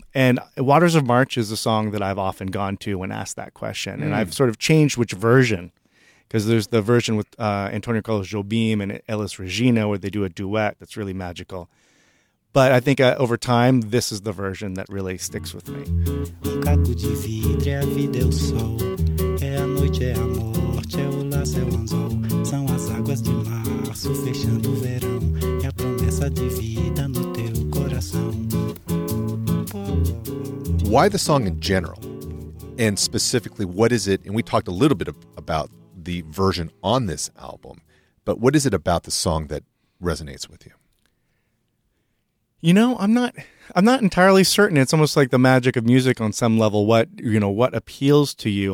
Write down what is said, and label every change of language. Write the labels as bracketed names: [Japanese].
[English] And Waters of March is a song that I've often gone to when asked that question. Mm. And I've sort of changed which version, because there's the version with Antonio Carlos Jobim and Elis Regina, where they do a duet that's really magical. But I think over time, this is the version that really sticks with me. [Portuguese] O caco de vidro, a vida é o sol. É a noite, é a morte, é o laço, é o anzol. São as águas de março, fechando o verão. É a promessa de vida no teu coração. [English] Why the song in general? And specifically, what is it? And we talked a little bit about the version on this album. But what is it about the song that resonates with you? You know, I'm not entirely certain. It's almost like the magic of music on some level, what appeals to you.